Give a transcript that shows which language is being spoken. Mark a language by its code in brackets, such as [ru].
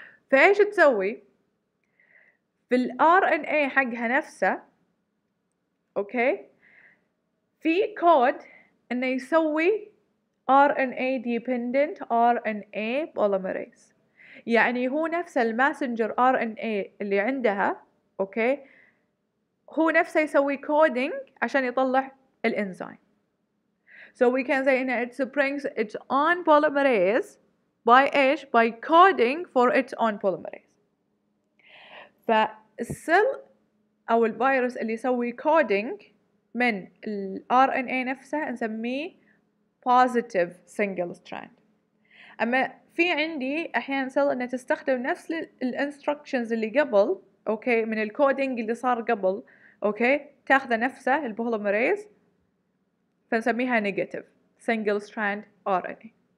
[ar] فإيش تسوي؟ في الـ RNA حقها نفسها، أوكي، في كود إنه يسوي RNA dependent RNA polymerase. يعني هو نفس الماسنجر ار ان اي اللي عندها، اوكي، هو نفسه يسوي كودينج عشان يطلع الانزيم. [en] So we can say that it springs its own polymerase by H by coding for its own polymerase. [ar] فالسل أو الفيروس اللي يسوي coding من الـ RNA نفسه نسميه positive single strand. أما في عندي أحيان سل أنها تستخدم نفس الـ instructions اللي قبل، أوكي، من الـ coding اللي صار قبل، أوكي، تاخذ نفسه الـ polymerase فنسميها نيجاتيف سنجل ستراند ار ان اي.